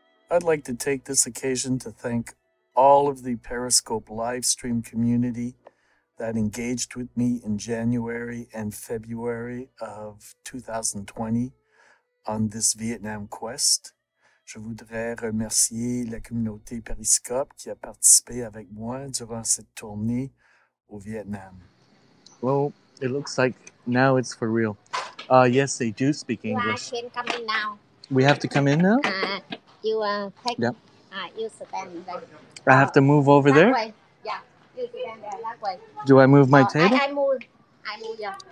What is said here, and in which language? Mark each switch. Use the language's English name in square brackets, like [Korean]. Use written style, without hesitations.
[English] I'd like to take this occasion to thank all of the Periscope livestream community that engaged with me in January and February of 2020 on this Vietnam quest. [French] Je voudrais remercier la communauté Periscope qui a participé avec moi durant cette tournée au Vietnam. [English] Well, it looks like now it's for real. Yes, they do speak English. You can come in now. We have to come in now? You take... Yep. You stand there. I have to move over that there? Way. Yeah, you stand there, that way. Do I move my table? I move, yeah.